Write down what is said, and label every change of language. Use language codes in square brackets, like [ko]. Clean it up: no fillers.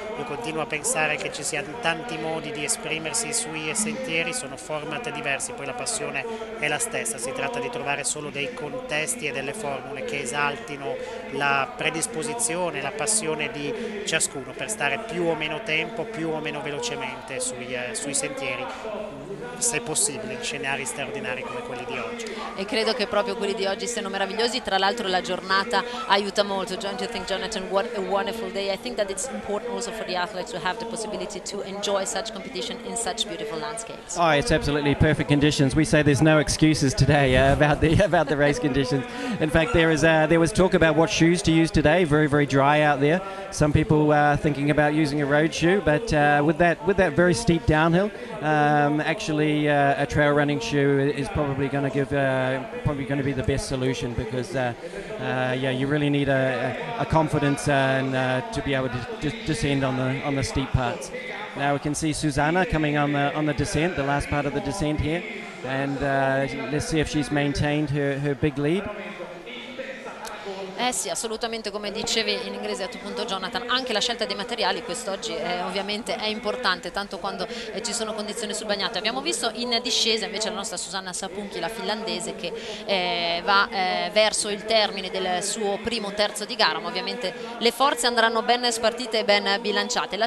[it] Io continuo a pensare che ci siano tanti modi di esprimersi sui sentieri, sono format diversi, poi la passione è la stessa, si tratta di trovare solo dei contesti e delle formule che esaltino la predisposizione, la passione di ciascuno per stare più o meno tempo, più o meno velocemente sui sentieri, se possibile, in scenari straordinari come quelli di oggi. E credo che proprio quelli di oggi siano meravigliosi, tra l'altro la giornata aiuta molto. [en] Don't you think, Jonathan, what a wonderful day. I think that it's important also for the athletes to have the possibility to enjoy such competition in such beautiful landscapes. Oh, it's absolutely perfect conditions. We say there's no excuses today about the race conditions. In fact, there was talk about what shoes to use today. Very, very dry out there. Some people are thinking about using a road shoe, but with that very steep downhill, a trail running shoe is probably going to give be the best solution, because you really need a confidence to be able to descend on the steep parts. Now we can see Susanna coming on the descent, the last part of the descent here, and let's see if she's maintained her big lead. [it] Eh sì, assolutamente, come dicevi in inglese a tuo punto, Jonathan, anche la scelta dei materiali quest'oggi è ovviamente importante, tanto quando ci sono condizioni sul bagnato. Abbiamo visto in discesa invece la nostra Susanna Sapunki, la finlandese, che va verso il termine del suo primo terzo di gara, ma ovviamente le forze andranno ben spartite e ben bilanciate.